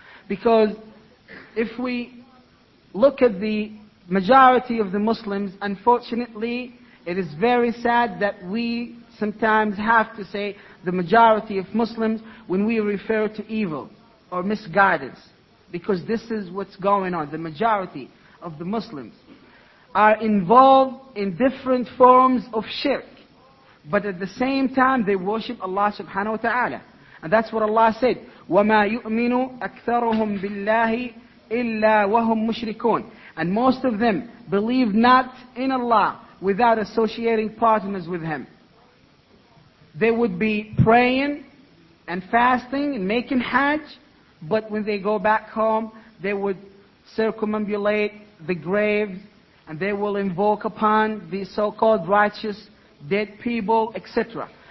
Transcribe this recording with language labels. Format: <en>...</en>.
<en>Because if we look at the majority of the Muslims, unfortunately, it is very sad that we sometimes have to say the majority of Muslims when we refer to evil or misguidance. Because this is what's going on. The majority of the Muslims are involved in different forms of shirk. But at the same time, they worship Allah subhanahu wa ta'ala. And that's what Allah said,</en> <ar>وَمَا يُؤْمِنُ أَكْثَرُهُمْ بِاللَّهِ إِلَّا وَهُمْ مُشْرِكُونَ.</ar> <en>And most of them believe not in Allah without associating partners with Him. They would be praying and fasting and making hajj, but when they go back home, they would circumambulate the graves and they will invoke upon the so-called righteous dead people, etc.</en>